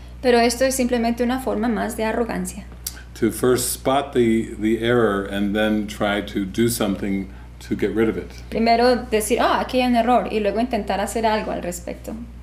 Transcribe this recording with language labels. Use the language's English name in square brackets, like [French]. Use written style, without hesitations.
[Spanish] Pero esto es simplemente una forma más de arrogancia. [English] To first spot the error and then try to do something to get rid of it. [Spanish] Primero decir, aquí hay un error, y luego intentar hacer algo al respecto.